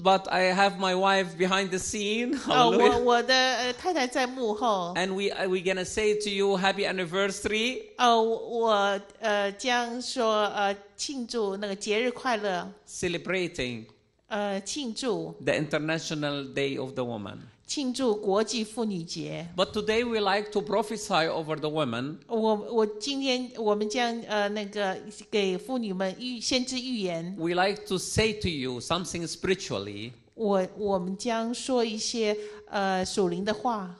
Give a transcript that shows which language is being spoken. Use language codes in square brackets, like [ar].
[en] But I have my wife behind the scene. [zh] 我的 太太在幕后。 [en] And we're going to say to you happy anniversary. [zh] 我将说 庆祝那个节日快乐。 [en] Celebrating. [zh] 庆祝 [en] the International Day of the Woman. [zh] 庆祝国际妇女节。 [en] But today we like to prophesy over the women. [zh] 我今天我们将给妇女们先知预言。 [en] We like to say to you something spiritually. [zh] 我们将说一些属灵的话。